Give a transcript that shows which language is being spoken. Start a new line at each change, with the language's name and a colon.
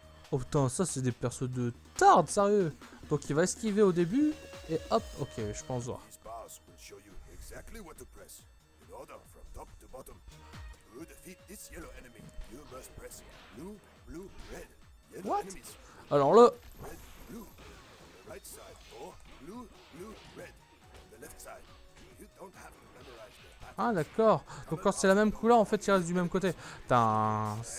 French: Oh putain, ça c'est des persos de tarde, sérieux. Donc il va esquiver au début. Et hop, ok, je pense voir.
English: Exactly what to press. In order from top to bottom. To defeat this yellow enemy, you must press blue, blue, red. Yellow what? Enemies.
French: Alors là.
English: Red, blue. On the right side, or blue, blue, red. On the left side. You don't have to memorize the pattern.
French: Ah d'accord. Donc quand c'est la même couleur, en fait, il reste du même côté. Tins.